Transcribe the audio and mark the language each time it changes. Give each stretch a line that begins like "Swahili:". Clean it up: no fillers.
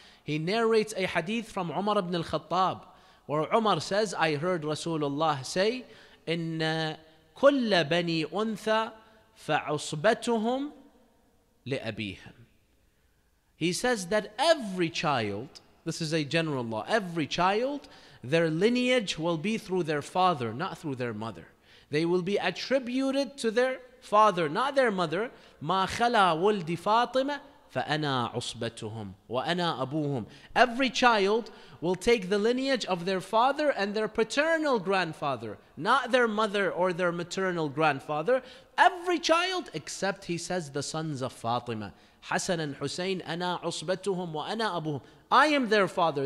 English: He narrates a hadith from Umar ibn al-Khattab, where Umar says, I heard Rasulullah say,
Arabic: إن كل بني أنثى فعصبتهم لأبيهم.
English: He says that every child, this is a general law, every child, their lineage will be through their father, not through their mother. They will be attributed to their father, not their mother.
Arabic: ما خلا ولدي فاطمة فأنا عصبتهم وأنا أبوهم.
English: Every child will take the lineage of their father and their paternal grandfather, not their mother or their maternal grandfather. Every child, except, he says, the sons of Fatima. Hassan and Hussein,
Arabic: أَنَا عُصْبَتُهُمْ وَأَنَا أَبُهُمْ.
English: I am their father.